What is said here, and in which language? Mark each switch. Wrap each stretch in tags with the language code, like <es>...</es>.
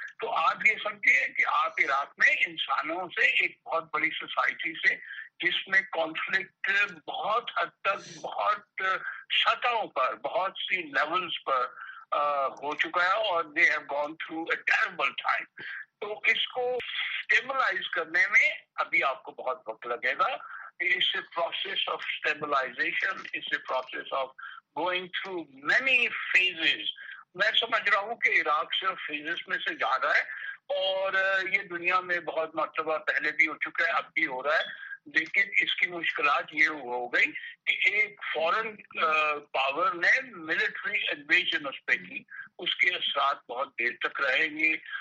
<ur>تو آپ یہ سمجھیے کہ آپ عراق میں انسانوں سے, ایک بہت بڑی سوسائٹی سے جس میں کانفلکٹ بہت حد تک بہت سطحوں پر, بہت سی لیولز پر ہو چکا ہے, اور</ur> <en>They have gone through a terrible time.</en> <ur>تو اس کو اسٹیبلائز کرنے میں ابھی آپ کو بہت وقت لگے گا.</ur> <en>It's a process of stabilization, it's a process of going through many phases.</en> <ur>میں سمجھ رہا ہوں کہ عراق صرف فیزز میں سے جا رہا ہے, اور یہ دنیا میں بہت مرتبہ پہلے بھی ہو چکا ہے, اب بھی ہو رہا ہے, لیکن اس کی مشکلات یہ ہو گئی کہ ایک فورن پاور نے ملٹری انویژن اس پہ کی, اس کے اثرات بہت دیر تک رہیں گے.</ur>